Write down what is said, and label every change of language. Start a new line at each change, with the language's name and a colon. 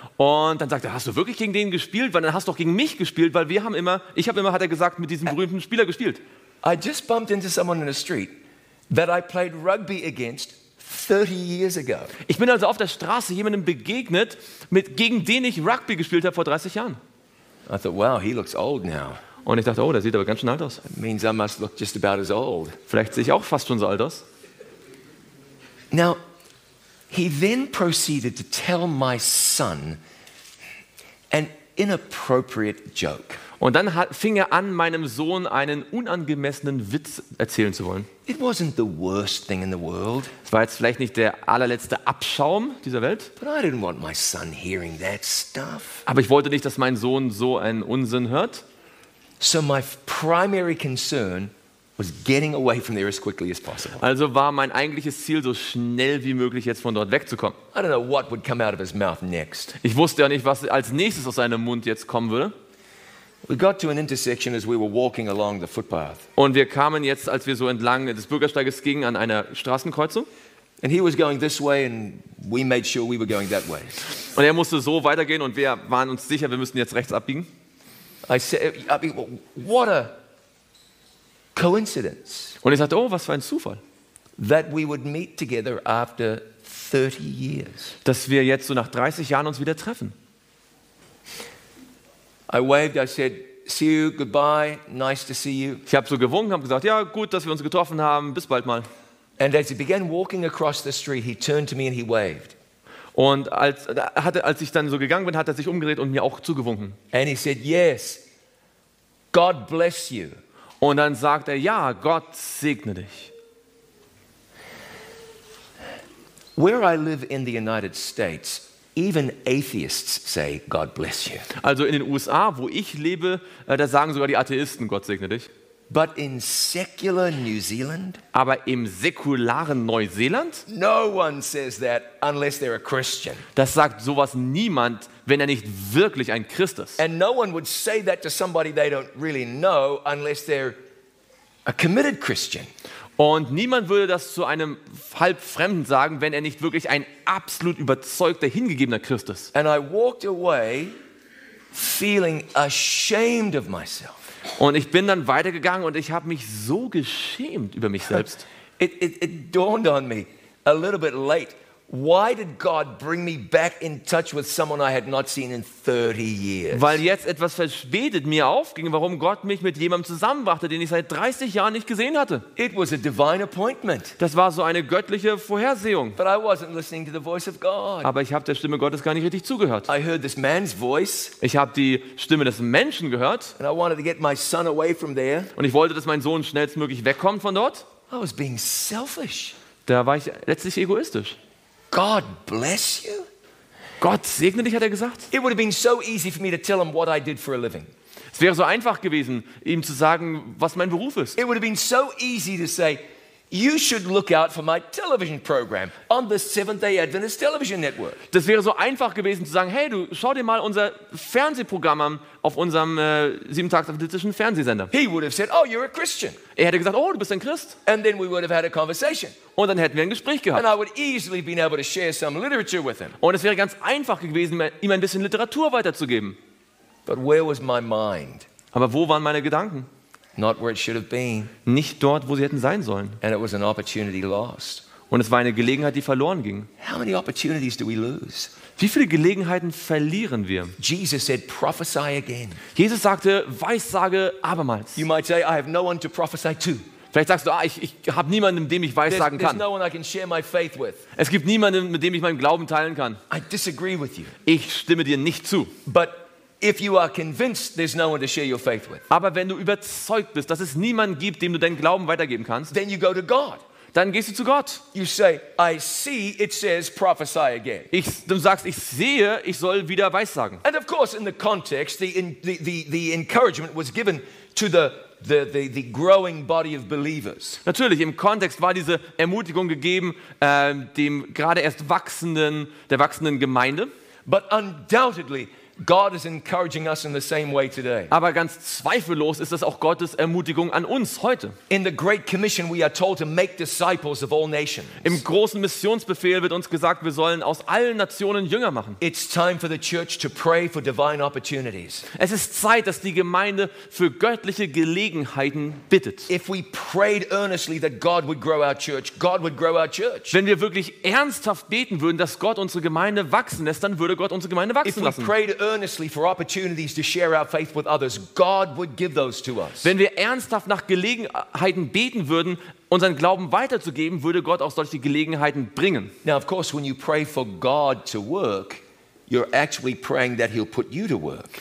German: Und dann sagte er, hast du wirklich gegen den gespielt? Weil dann hast du doch gegen mich gespielt, weil wir haben immer, ich habe immer, hat er gesagt, mit diesem berühmten Spieler gespielt.
English: I just bumped into someone in the street that I played rugby against 30 years ago.
German: Ich bin also auf der Straße jemandem begegnet, mit gegen den ich Rugby gespielt habe vor 30 Jahren.
English: I thought, wow, he looks old now.
German: Und ich dachte, oh, der sieht aber ganz schön alt aus.
English: It means I must look just about as old.
German: Vielleicht sehe ich auch fast schon so alt aus.
English: Now, he then proceeded to tell my son an inappropriate joke.
German: Und dann fing er an, meinem Sohn einen unangemessenen Witz erzählen zu wollen.
English: It wasn't the worst thing in the world.
German: Es war jetzt vielleicht nicht der allerletzte Abschaum dieser Welt.
English: But I didn't want my son hearing that stuff.
German: Aber ich wollte nicht, dass mein Sohn so einen Unsinn hört.
English: So my primary concern was getting away from there as quickly as possible.
German: Also war mein eigentliches Ziel, so schnell wie möglich jetzt von dort wegzukommen.
English: I don't know what would come out of his mouth next.
German: Ich wusste ja nicht, was als nächstes aus seinem Mund jetzt kommen würde.
English: We got to an intersection as we were walking along the footpath.
German: Und wir kamen jetzt, als wir so entlang des Bürgersteiges gingen, an einer Straßenkreuzung.
English: And he was going this way and we made sure we were going that way.
German: Und er musste so weitergehen und wir waren uns sicher, wir müssen jetzt rechts abbiegen.
English: I mean, what a coincidence.
German: Und ich sagte, oh, was für ein Zufall.
English: That we would meet together after 30 years.
German: Dass wir jetzt so nach 30 Jahren uns wieder treffen.
English: I waved, I said, see you, goodbye, nice to see you.
German: Ich habe so gewunken, habe gesagt, ja, gut, dass wir uns getroffen haben, bis bald mal.
English: And as he began walking across the street, he turned to me and he waved.
German: Und als ich dann so gegangen bin, hat er sich umgedreht und mir auch zugewunken.
English: And he said, yes, God bless you.
German: Und dann sagt er, ja, Gott segne dich.
English: Where I live in the United States, even atheists say, God bless you.
German: Also in den USA, wo ich lebe, da sagen sogar die Atheisten, Gott segne dich.
English: But in secular New Zealand?
German: Aber im säkularen Neuseeland?
English: No one says that unless they're a Christian.
German: Das sagt sowas niemand, wenn er nicht wirklich ein Christ ist.
English: And no one would say that to somebody they don't really know unless they're a committed Christian.
German: Und niemand würde das zu einem Halbfremden sagen, wenn er nicht wirklich ein absolut überzeugter, hingegebener Christ ist.
English: And I walked away feeling ashamed of myself.
German: Und ich bin dann weitergegangen und ich habe mich so geschämt über mich selbst.
English: It dawned on me a little bit late Why did God bring me back in touch with someone I had not seen in 30 years?
German: Weil jetzt etwas verspätet mir aufging, warum Gott mich mit jemandem zusammenbrachte, den ich seit 30 Jahren nicht gesehen hatte.
English: It was a divine appointment.
German: Das war so eine göttliche Vorhersehung.
English: But I wasn't listening to the voice of God.
German: Aber ich habe der Stimme Gottes gar nicht richtig zugehört.
English: I heard this man's voice.
German: Ich habe die Stimme des Menschen gehört.
English: And I wanted to get my son away from there.
German: Und ich wollte, dass mein Sohn schnellstmöglich wegkommt von dort.
English: I was being selfish.
German: Da war ich letztlich egoistisch.
English: God bless you.
German: Gott segne dich, hat er gesagt.
English: It would have been so easy for me to tell him what I did for a living.
German: Es wäre so einfach gewesen, ihm zu sagen, was mein Beruf ist.
English: It would have been so easy to say, you should look out for my television program on the Seventh-day Adventist television network.
German: Das wäre so einfach gewesen zu sagen, hey, du schau dir mal unser Fernsehprogramm an auf unserem siebentagsadventistischen Fernsehsender.
English: He would have said, oh, you're a Christian.
German: Er hätte gesagt, oh, du bist ein Christ.
English: And then we would have had a conversation.
German: Und dann hätten wir ein Gespräch gehabt.
English: And I would easily been able to share some literature with him.
German: Und es wäre ganz einfach gewesen, ihm ein bisschen Literatur weiterzugeben.
English: But where was my mind?
German: Aber wo waren meine Gedanken?
English: Not where it should have been.
German: Nicht dort, wo sie hätten sein sollen.
English: And it was an opportunity lost.
German: Und es war eine Gelegenheit, die verloren ging.
English: How many opportunities do we lose?
German: Wie viele Gelegenheiten verlieren wir?
English: Jesus said, prophesy again.
German: Jesus sagte, weissage abermals.
English: You might say, I have no one to prophesy to.
German: Vielleicht sagst du, ah, ich habe niemanden, mit dem ich weissagen kann.
English: There's no one I can share my faith with.
German: Es gibt niemanden, mit dem ich meinen Glauben teilen kann.
English: I disagree with you.
German: Ich stimme dir nicht zu.
English: But if you are convinced there's no one to share your faith with.
German: Aber wenn du überzeugt bist, dass es niemanden gibt, dem du deinen Glauben weitergeben kannst,
English: then you go to God.
German: Dann gehst du zu Gott.
English: You say, I see it says prophesy again.
German: Du sagst, ich sehe, ich soll wieder weissagen.
English: And of course in the context the encouragement was given to the growing body of believers.
German: Natürlich im Kontext war diese Ermutigung gegeben dem gerade erst wachsenden Gemeinde.
English: But undoubtedly God is encouraging us in the same way today.
German: Aber ganz zweifellos ist das auch Gottes Ermutigung an uns heute.
English: In the Great Commission we are told to make disciples of all nations.
German: Im großen Missionsbefehl wird uns gesagt, wir sollen aus allen Nationen Jünger machen.
English: It's time for the church to pray for divine opportunities.
German: Es ist Zeit, dass die Gemeinde für göttliche Gelegenheiten bittet.
English: If we prayed earnestly that God would grow our church, God would grow our church.
German: Wenn wir wirklich ernsthaft beten würden, dass Gott unsere Gemeinde wachsen lässt, dann würde Gott unsere Gemeinde wachsen lassen.
English: Earnestly for opportunities to share our faith with others, God would give those to us.
German: Wenn wir ernsthaft nach Gelegenheiten beten würden, unseren Glauben weiterzugeben, würde Gott auch solche Gelegenheiten bringen.
English: Now, of course, when you pray for God to work, you're actually praying that He'll put you to work.